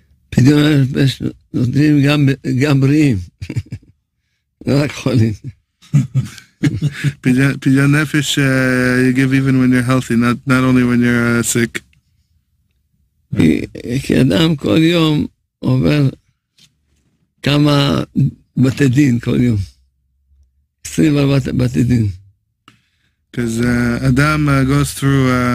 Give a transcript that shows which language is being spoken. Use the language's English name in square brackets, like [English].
[Hebrew] פדיון נפש נותנים גם בריאים, לא רק חולים. [English] פדיון נפש you give even when you're healthy, not only when you're sick. [Hebrew] כי אדם כל יום עובר כמה בתי דין כל יום. [English] Because Adam goes through